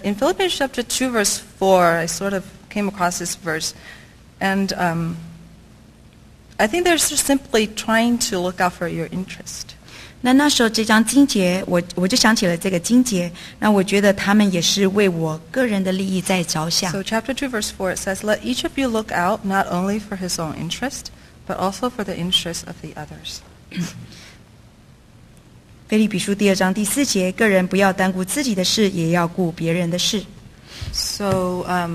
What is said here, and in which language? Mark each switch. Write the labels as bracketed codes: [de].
[en] in Philippians chapter 2, verse 4, I sort of came across this verse, and I think they're just simply trying to look out for your interest. [zh] 那时候这张经节，我就想起了这个经节，那我觉得他们也是为我个人的利益在着想。 [en] So chapter 2 verse 4, it says, let each of you look out not only for his own interest, but also for the interest of the others. [zh] 腓立比书第二章第四节，个人不要单顾自己的事，也要顾别人的事。 [en] So,